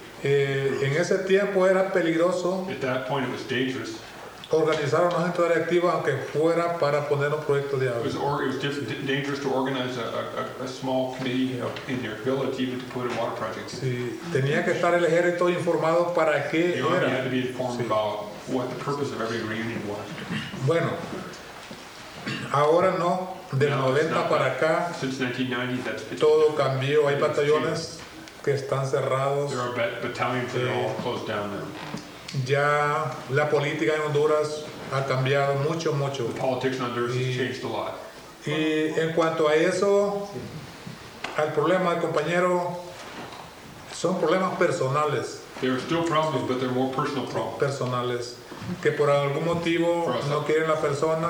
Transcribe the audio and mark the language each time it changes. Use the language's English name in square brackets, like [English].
[Spanish] En ese tiempo era peligroso. [English] At that point it was dangerous. [Spanish] Organizar una junta directiva aunque fuera para poner un proyecto de agua. [English] It was dangerous to organize a small committee in your village even to put a water project. [Spanish] Sí. Tenía que estar el ejército informado para qué era. [English] You had to be informed about what the purpose of every reunion was. [Spanish] Bueno. Ahora no, del 90 para acá, [English] since 1990, that's [Spanish] todo cambió. Hay batallones que están cerrados. [English] There are battalions that are all closed down now. [Spanish] Ya la política en Honduras ha cambiado mucho, mucho. [English] The politics in Honduras has changed a lot. [Spanish] Y en cuanto a eso, al problema del compañero, son problemas personales. [English] There are still problems, but they're more personal problems. [Spanish] Personales. Que por algún motivo no quieren la persona,